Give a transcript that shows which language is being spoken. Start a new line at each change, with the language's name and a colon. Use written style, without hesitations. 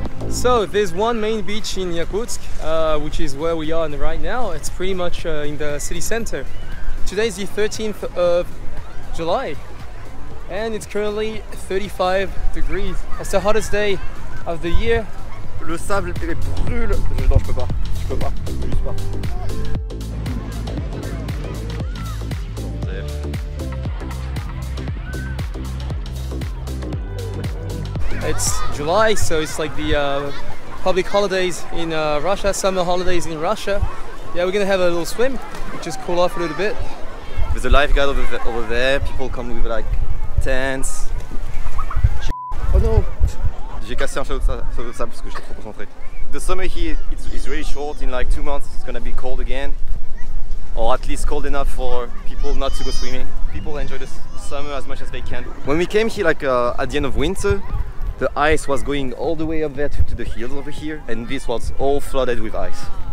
English: So there's one main beach in Yakutsk, which is where we are right now. It's pretty much in the city center. Today is the 13th of July, and it's currently 35 degrees. It's the hottest day of the year.
French: Le sable brûle. Non, je peux pas. Je peux pas. Je peux juste pas.
English: it's July, so it's like the public holidays in Russia, summer holidays in Russia. Yeah, we're gonna have a little swim, just cool off a little bit. There's a lifeguard over there, people come with like tents. Oh no!
French: J'ai cassé un saut de sable parce que j'étais trop concentré.
English: The summer here is really short, in like 2 months it's gonna be cold again. Or at least cold enough for people not to go swimming. People enjoy the summer as much as they can. When we came here like at the end of winter, the ice was going all the way up there to the hills over here, and this was all flooded with ice.